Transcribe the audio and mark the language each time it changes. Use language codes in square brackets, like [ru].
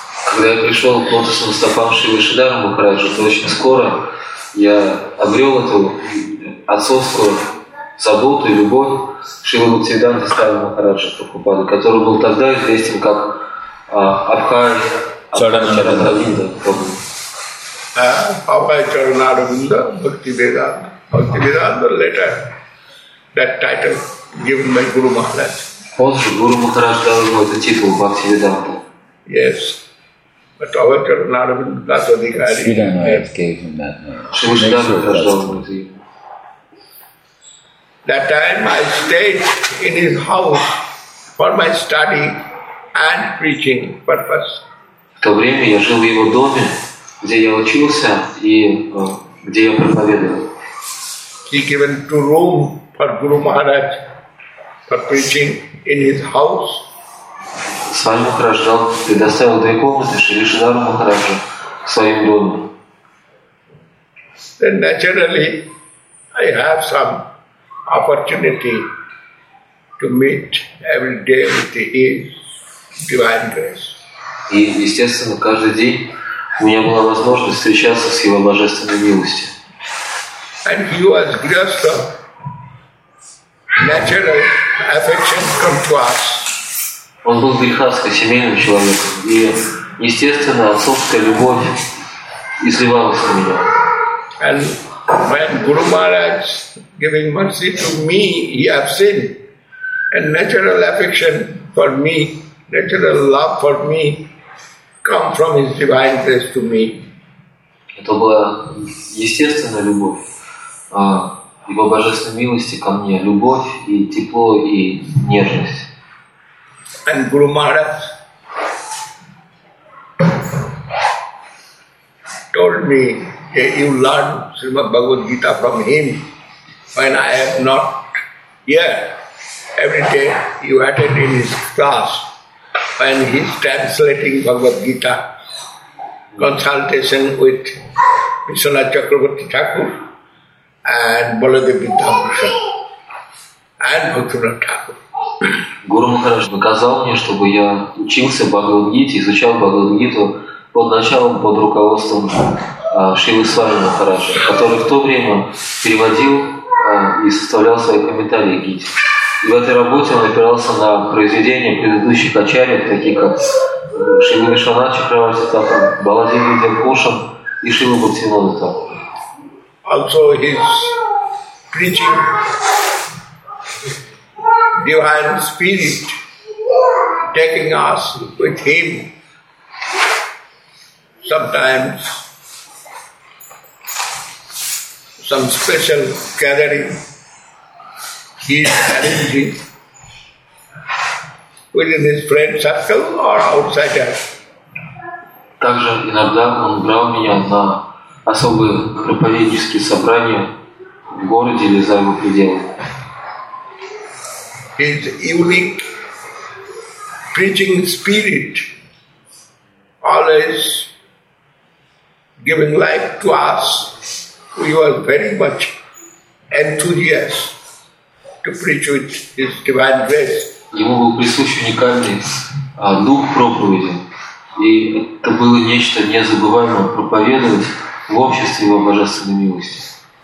[ru] Когда я пришел к лотосу Мустафам Шиве Шидару Махараджу, то очень скоро я обрел эту отцовскую заботу и любовь Шивы Бхактивиданты Свами Махараджа Прабхупады, который был тогда известен как Абхай Чаранаравинда Прабхупада. [en] Абхай Чаранаравинда Бхактивиданта, later that title given by Guru Maharaj. [ru] Позже Гуру Махарадж дал ему этот титул Бхактивиданта. [en] Yes, but our Чаранаравинда Дас Адхикари. We don't know if gave him that. [ru] Шри Махарадж дал ему этот титул. [en] That time I stayed in his house for my study and preaching purpose. [ru] В то время я жил в его доме, где я учился и где я проповедовал. [en] He given two room for Guru Maharaj for preaching. In his house. [ru] Свами Махарадж предоставил две комнаты Шри Шидару Махараджу в своем доме. [en] Then naturally, I have some opportunity to meet every day with His Divine Grace. [ru] И естественно, каждый день у меня была возможность встречаться с Его Божественной милостью. [en] And He was grateful. Natural affection come to us. [ru] Он был грехастка семейным человеком, и естественно отцовская любовь изливалась на меня. [en] And when Guru Maharaj giving mercy to me, he have sinned, and natural affection for me, natural love for me, come from His Divine Grace to me. [ru] Это была естественная любовь. Его божественной милости ко мне, любовь и тепло и нежность. [en] And Guru Maharaj told me, hey, you learn Srimad Bhagavad Gita from him when I am not here. Every day you attend in his class when he is translating Bhagavad Gita, consultation with Vishwanath Chakravarti Thakur. And Baladev Vidyaprasad and Bhaktivinoda Thakur. [ru] Guru Maharaj наказал мне, чтобы я учился Бхагавад-гите, изучал Бхагавад-гиту под началом, под руководством Шривы Свами Махараджа, который в то время переводил и составлял свои комментарии гите. И в этой работе он опирался на произведения предыдущих ачарьев, таких как Шрива Вишванатха Чакраварти Тхакур, Баладев Видьяпрасад и Шрива Бхактивинода Тхакур. [en] Also his preaching divine spirit taking us with him sometimes some special gathering he is arranging within his friend circle or outside us. [ru] Также иногда он брал меня на особые проповеднические собрания в городе или за его пределами. [en] His unique preaching spirit always giving life to us. We were very much enthusiastic to preach with His Divine Grace. [ru] Ему был присущ уникальный дух проповеди, и это было нечто незабываемое проповедовать в обществе Его Божественной милости.